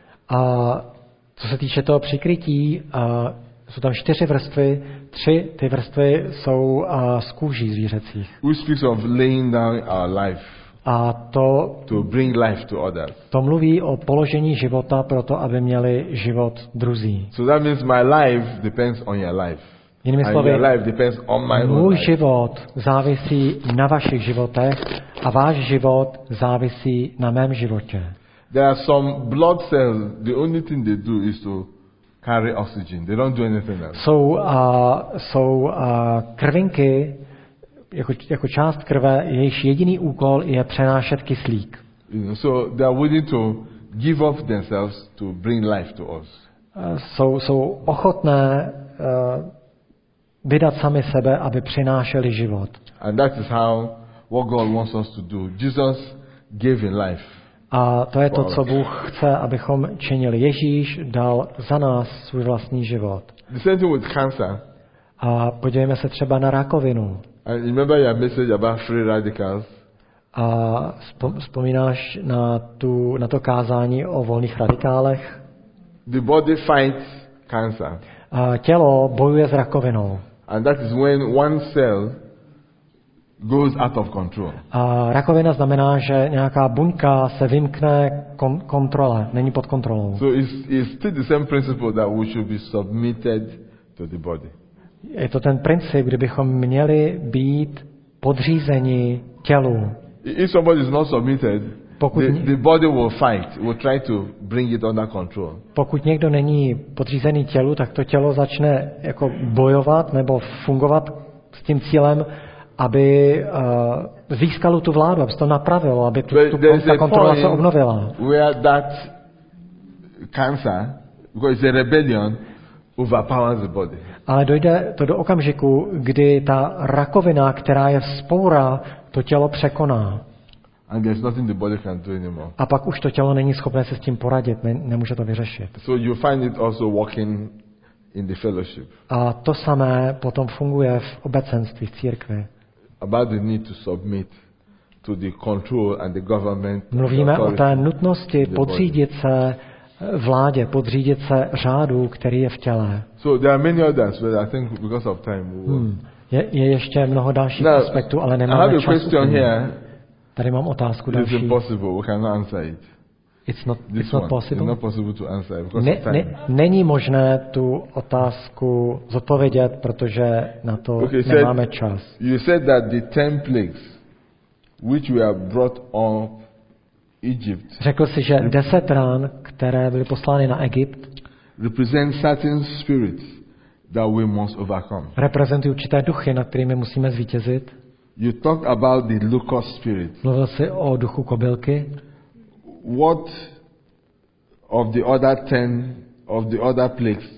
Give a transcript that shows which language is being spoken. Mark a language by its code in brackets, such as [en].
[cs] A co se týče toho přikrytí, jsou tam čtyři vrstvy, tři ty vrstvy jsou z kůží zvířecích. [en] Which speaks of laying down our life. [cs] A to [en] to bring life to others. [cs] To mluví o položení života proto, aby měli život druzí. [en] So that means my life depends on your life. [cs] Jinými slovy, [en] your life depends on my own. [cs] Můj život závisí na vašich životech a váš život závisí na mém životě. [en] There are some blood cells, the only thing they do is to carry oxygen. They don't do anything else. [cs] Jsou krvinky, jako část krve, jejich jediný úkol je přenášet kyslík. [en] So they are willing to give up themselves to bring life to us. [cs] Jsou ochotné vydat sami sebe, aby přinášeli život. [en] And that is how what God wants us to do. Jesus gave in life. [cs] A to je to, co Bůh chce, abychom činili. Ježíš dal za nás svůj vlastní život. [en] The same thing with cancer. [cs] A podívejme se třeba na rakovinu. [en] And remember your message about free radicals. [cs] A vzpomínáš na to kázání o volných radikálech? [en] The body fights cancer. [cs] A tělo bojuje s rakovinou. [en] And that is when one cell goes out of control. [cs] A rakovina znamená, že nějaká buňka se vymkne kontrole, není pod kontrolou. [en] So it's still the same principle that we should be submitted to the body. [cs] Je to ten princip, kdybychom měli být podřízeni tělu. [en] If somebody is not submitted, the body will fight, will try to bring it under control. [cs] Pokud někdo není podřízený tělu, tak to tělo začne jako bojovat nebo fungovat s tím cílem, aby získalo tu vládu, aby se to napravilo, aby ta kontrola se obnovila. [en] Where that cancer, because it's a rebellion, overpowers the body. [cs] Ale dojde to do okamžiku, kdy ta rakovina, která je vzpoura, to tělo překoná. [en] And there's nothing the body can do anymore. [cs] A pak už to tělo není schopné se s tím poradit, nemůže to vyřešit. [en] So you find it also working in the fellowship. [cs] A to samé potom funguje v obecenství, v církvi. [en] About the need to submit to the control and the government. [cs] Mluvíme o té nutnosti podřídit se vládě, podřídit se řádu, který je v těle. [en] So there are many others, but I think because of time we will. [cs] Je ještě mnoho dalších aspektů, ale nemáme čas. [en] I have a question here. [cs] Tady mám otázku [en] it's [cs] další. [en] It's impossible. We cannot answer it. It's not possible to answer because [cs] Není možné tu otázku zodpovědět, protože na to nemáme čas. [en] You said that the 10 plagues which we have brought on Egypt. [cs] Řekl jsi, že 10 rán, které byly poslány na Egypt, [en] represent certain spirits that we must overcome. [cs] Reprezentují určité duchy, nad kterými musíme zvítězit. [en] You talk about the locust spirit. [cs] Mluvil jsi o duchu kobylky. [en] What of the other 10 of the other plagues?